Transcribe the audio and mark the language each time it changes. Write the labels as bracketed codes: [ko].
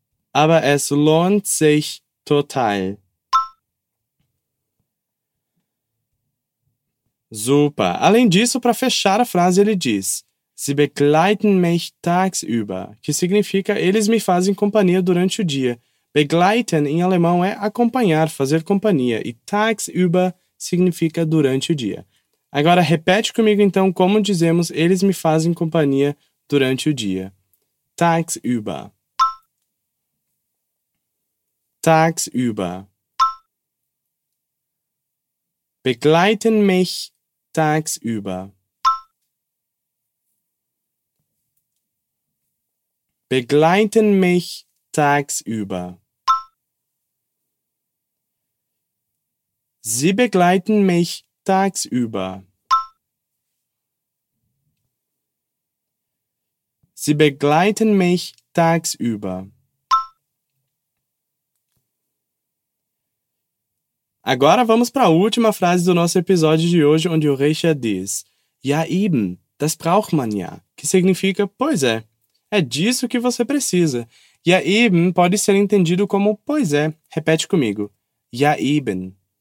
[de] Aber es lohnt sich total. Super. [pt] Além disso, para fechar a frase, ele diz: [de] Sie begleiten mich tagsüber, [pt] que significa eles me fazem companhia durante o dia. Begleiten em alemão é acompanhar, fazer companhia. E tagsüber significa durante o dia. Agora repete comigo então como dizemos eles me fazem companhia durante o dia. [de] Tagsüber. Tagsüber. Begleiten mich tagsüber. Begleiten mich tagsüber. Sie begleiten mich tagsüber. Sie begleiten mich tagsüber. [pt] Agora vamos para a última frase do nosso episódio de hoje, onde o Richard diz: [de] Ja eben, das braucht man ja, [pt] que significa, pois é, é disso que você precisa. [de] Ja eben [pt] pode ser entendido como pois é. Repete comigo. Ja eben.